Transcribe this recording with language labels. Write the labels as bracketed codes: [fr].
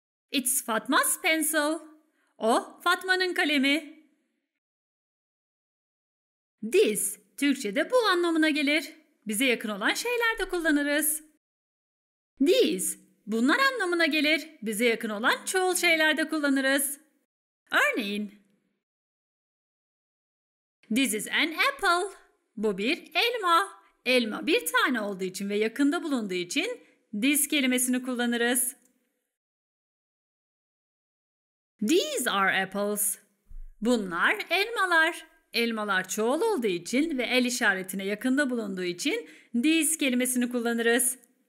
[en] It's Fatma's pencil. [tr] O, Fatma'nın kalemi. This, Türkçe'de bu anlamına gelir. bize yakın olan şeylerde kullanırız. These, bunlar anlamına gelir. Bize yakın olan çoğul şeylerde kullanırız. Örneğin, [en] this is an apple. [tr] Bu bir elma. Elma bir tane olduğu için ve yakında bulunduğu için this kelimesini kullanırız. [en] These are apples. [tr] Bunlar elmalar. Elmalar çoğul olduğu için ve el işaretine yakında bulunduğu için this kelimesini kullanırız.